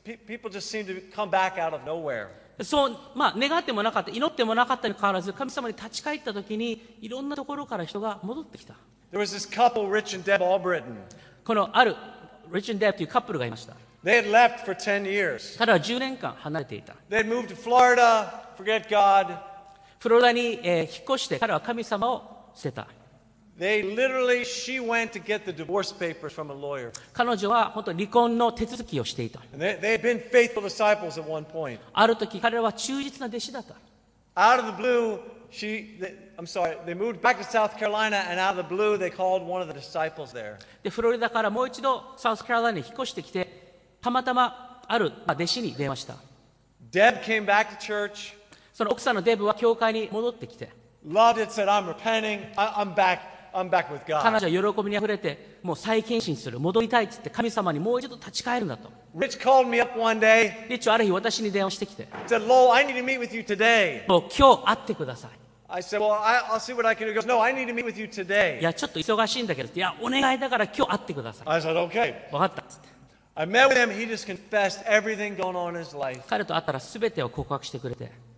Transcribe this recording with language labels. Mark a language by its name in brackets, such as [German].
[English] People just seemed to come back out of nowhere. [Japanese] そう、まあ、願ってもなかった祈ってもなかったに変わらず神様に立ち返った時にいろんなところから人が戻ってきた。 [English] There was this couple, Rich and Deb Albritton. [Japanese] このある Rich and Deb というカップルがいました。 [English] They had left for 10 years. [Japanese] 彼らは10年間離れていた。 [English] They had moved to Florida, forget God. [Japanese] フロリダに引っ越して彼らは神様を捨てた。 [English] They literally, she went to get the divorce papers from a lawyer. [Japanese] 彼女は本当離婚の手続きをしていた。 [English] They had been faithful disciples at one point. [Japanese] ある時彼らは忠実な弟子だった。 [English] Out of the blue, they moved back to South Carolina and out of the blue they called one of the disciples there. [Japanese] で、フロリダからもう一度サウスカロライナに引っ越してきてたまたまある弟子に電話した。 [English] Deb came back to church. [Japanese] その奥さんのデブは教会に戻ってきて [English] Loved it, said, I'm repenting. I'm back with God. [Japanese] 彼女は喜びにあふれて、もう再献身する、戻りたいって言って、神様にもう一度立ち返るんだと。 [English] Rich called me up one day. [Japanese] リッチはある日私に電話してきて。 [English] Said, Lo, I need to meet with you today. [Japanese] もう今日会ってください。 [English] I said, Well, I'll see what I can do. He goes, No, I need to meet with you today. [Japanese] いや、ちょっと忙しいんだけど、いや、お願いだから今日会ってください。 [English] I said, Okay. [Japanese] わかったっつって。 [English] I met with him. He just confessed everything going on in his life. [Japanese] 彼と会ったら全てを告白してくれて。